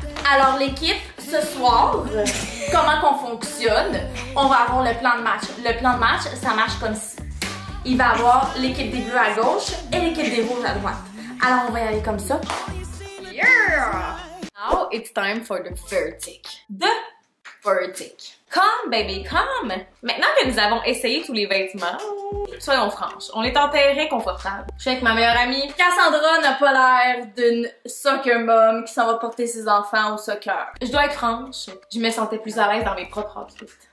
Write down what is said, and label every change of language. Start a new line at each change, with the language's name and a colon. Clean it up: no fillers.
French: Alors l'équipe, ce soir, comment qu'on fonctionne? On va avoir le plan de match. Le plan de match, ça marche comme ci. Il va avoir l'équipe des bleus à gauche et l'équipe des rouges à droite. Alors on va y aller comme ça.
English: Yeah! Now it's time for the verdict. The verdict. Come baby, come!
French: Maintenant que nous avons essayé tous les vêtements, soyons franches, on est en terrain confortable. Je suis avec ma meilleure amie. Cassandra n'a pas l'air d'une soccer mom qui s'en va porter ses enfants au soccer. Je dois être franche, je me sentais plus à l'aise dans mes propres outfits.